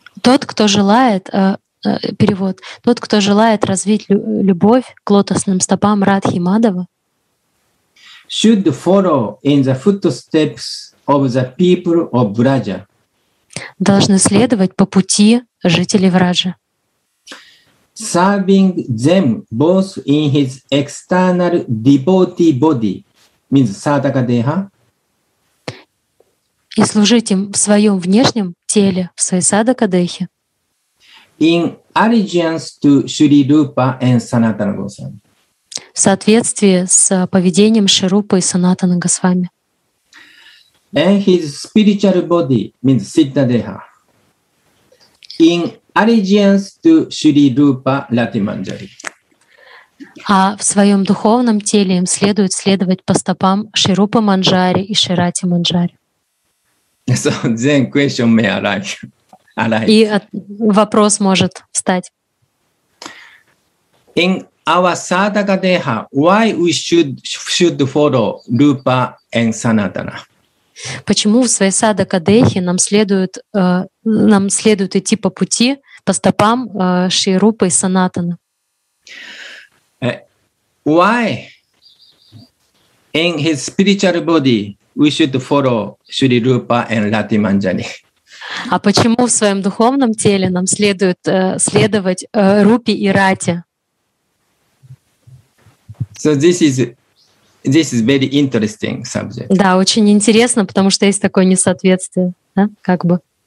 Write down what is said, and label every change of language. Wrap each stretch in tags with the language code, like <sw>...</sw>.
<ru>Тот, кто желает развить любовь к лотосным стопам Радхи и Мадхавы,</ru> <en>should follow in the footsteps of the people of Vraja.</en> <ru>Должны следовать по пути жителей Враджа.</ru> <en>Serving them both in his external devotee body, means sadaka deha.</en> <ru>И служить им в своем внешнем теле, в своей садака дехе.</ru> <en>In allegiance to Sri Rupa and Sanatana Goswami.</en> <ru>В соответствии с поведением Шрирупы и Санатаны Госвами.</ru> <en>And his spiritual body means Siddha Deha. In allegiance to Sri Rupa Latimanjari.</en> <ru>А в своем духовном теле им следует следовать по стопам Шрирупы Манджари и Шрирати Манджари.</ru> <en>So then question may arise.</en> <ru>И вопрос может встать.</ru> <en>In our sadaka deha, why we should follow Rupa and Sanatana?</en> <ru>Почему в своей sadaka dehe нам следует идти по пути, по стопам Шри Рупы и Санатана?</ru> <en>Why in his spiritual body we should follow Sri Rupa and Rati Manjari?</en> <ru>А почему в своем духовном теле нам следует следовать Рупе и Рати?</ru> <en>So this is very interesting subject.</en> <ru>Да, очень интересно, потому что есть такое несоответствие, да, как бы.</ru>